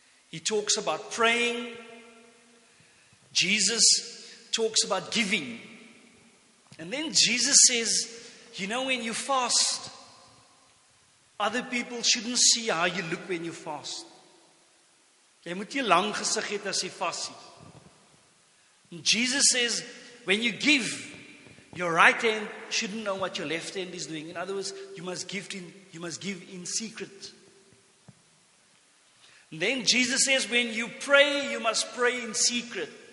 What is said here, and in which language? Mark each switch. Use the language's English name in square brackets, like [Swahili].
[English] He talks about praying. Jesus talks about giving. And then Jesus says, you know, when you fast, other people shouldn't see how you look when you fast. [Afrikaans] Jy moet jy lang gesig het as jy vas is. [English] And Jesus says, when you give, your right hand shouldn't know what your left hand is doing. In other words, you must give in secret. And then Jesus says, when you pray, you must pray in secret.